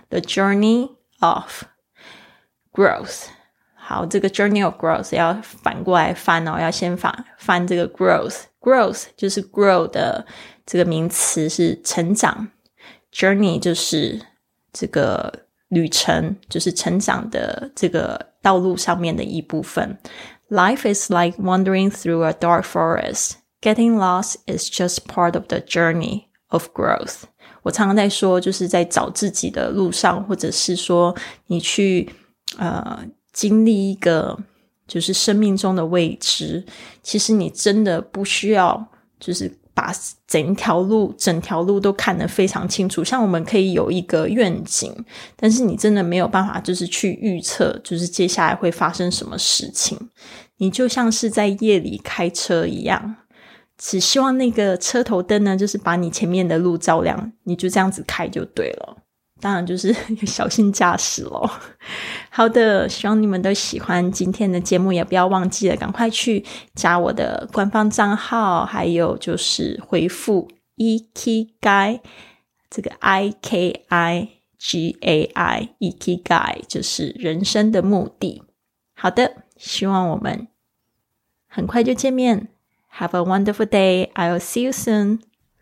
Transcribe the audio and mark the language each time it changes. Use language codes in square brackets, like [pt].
[en] the journey of growth， [zh] 好，这个 journey of growth 要反过来翻哦，要先翻这个 growth 就是 grow 的这个名词是成长， journey 就是这个旅程，就是成长的这个道路上面的一部分。 [en] Life is like wandering through a dark forest. Getting lost is just part of the journey of growth. [zh] 我常常在说，就是在找自己的路上，或者是说你去经历一个就是生命中的未知，其实你真的不需要就是把整条路都看得非常清楚，像我们可以有一个愿景，但是你真的没有办法就是去预测就是接下来会发生什么事情，你就像是在夜里开车一样，只希望那个车头灯呢就是把你前面的路照亮，你就这样子开就对了，当然就是小心驾驶咯。好的，希望你们都喜欢今天的节目，也不要忘记了赶快去加我的官方账号，还有就是回复 Ikigai， 这个 I-K-I-G-A-I Ikigai 就是人生的目的。好的，希望我们很快就见面， [en] Have a wonderful day， I'll see you soon。